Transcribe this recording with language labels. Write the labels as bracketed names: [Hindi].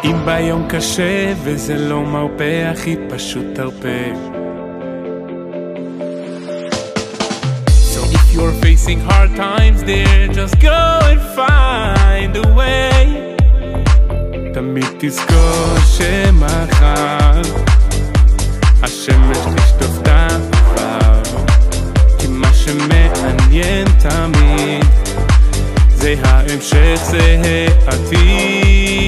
[Hebrew] היום קשה וזה לא מרפא, הכי פשוט תרפא. [English] So if you're facing hard times there, just go and find a way. [Hebrew] תמיד תזכור שמחר השמש תשטוף את העבר, כי מה שמעניין תמיד זה ההמשך, זה העתיד.